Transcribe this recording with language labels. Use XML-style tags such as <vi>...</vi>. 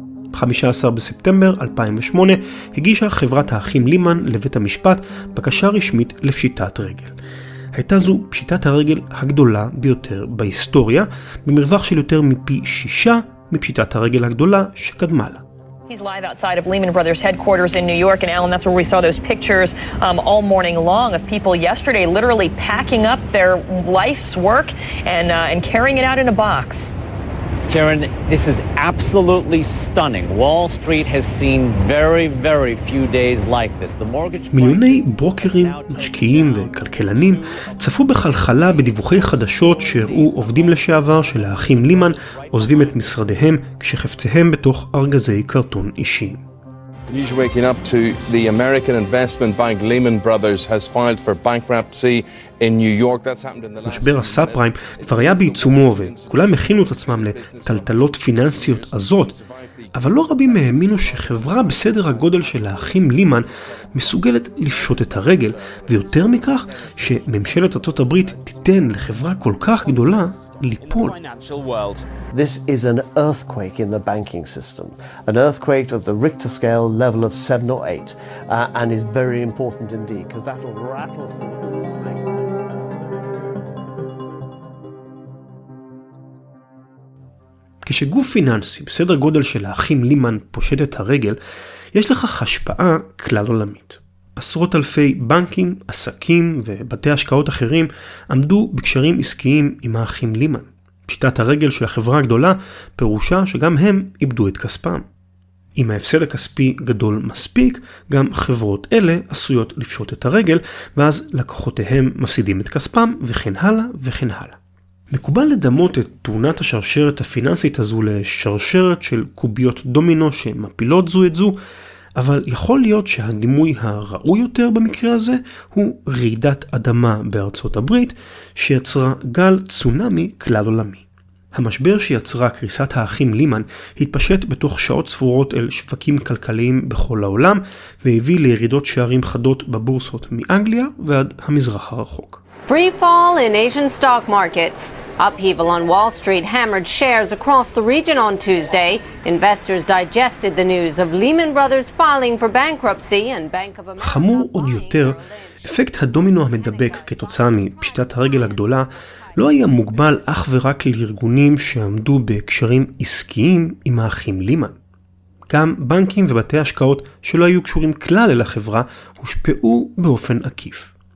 <he>ב-15 בספטמבר 2008 הגישה חברת האחים לימן לבית המשפט בקשה רשמית לפשיטת רגל. הייתה זו פשיטת הרגל הגדולה ביותר בהיסטוריה, במרווח של יותר מפי 6 מפשיטת הרגל הגדולה שקדמה לה.</he> <en>He's live outside of Lehman Brothers headquarters in New York, and Alan, that's where we saw those pictures all morning long of people yesterday literally packing up their life's work and carrying it out in a box. Karen, this is absolutely stunning. Wall Street has seen very, very few days like this. The mortgage</en> <he>מיליוני ברוקרים, משקיעים וכלכלנים צפו בחלחלה בדיווחי חדשות שהראו עובדים לשעבר של האחים לימן עוזבים את משרדיהם כשחפציהם בתוך ארגזי קרטון אישיים.</he> <en>News waking up to the American investment bank Lehman Brothers has filed for bankruptcy in New York. That's happened in the last</en> <he>משבר הסאב-פריים כבר היה בעיצומו וכולם הכינו את עצמם לטלטלות פיננסיות הזאת, אבל לא רבים מהאמינו שחברה בסדר הגודל של האחים לימן מסוגלת לפשוט את הרגל, ויותר מכך שממשלת ארצות הברית תיתן לחברה כל כך גדולה ליפול.</he> <en>This is an earthquake in the banking system, an earthquake of the Richter scale level of 7 or 8, and is very important indeed because that will rattle.</en> <he>כשגוף פיננסי בסדר גודל של האחים לימן פושט את הרגל, יש לכך השפעה כלל עולמית. עשרות אלפי בנקים, עסקים ובתי השקעות אחרים עמדו בקשרים עסקיים עם האחים לימן. פשיטת הרגל של החברה הגדולה פירושה שגם הם איבדו את כספם. אם ההפסד הכספי גדול מספיק, גם חברות אלה עשויות לפשוט את הרגל, ואז לקוחותיהם מפסידים את כספם וכן הלאה וכן הלאה. מקובל לדמות את תאונת השרשרת הפיננסית הזו לשרשרת של קוביות דומינו שמפילות זו את זו, אבל יכול להיות שהדימוי הראוי יותר במקרה הזה הוא רעידת אדמה בארצות הברית שיצרה גל צונמי כלל עולמי. המשבר שיצרה קריסת האחים לימן התפשט בתוך שעות ספורות אל שווקים כלכליים בכל העולם והביא לירידות שערים חדות בבורסות מאנגליה ועד המזרח הרחוק.</he> <en>Free fall in Asian stock markets. Upheaval on Wall Street hammered shares across the region on Tuesday. Investors digested the news of Lehman Brothers filing for bankruptcy and Bank of America.</en> <he>חמור עוד יותר, אפקט הדומינו המדבק כתוצאה מפשיטת הרגל הגדולה לא היה מוגבל אך ורק לארגונים שעמדו בקשרים עסקיים עם האחים לימן. גם בנקים ובתי השקעות שלא היו קשורים כלל אל החברה הושפעו באופן עקיף.</he>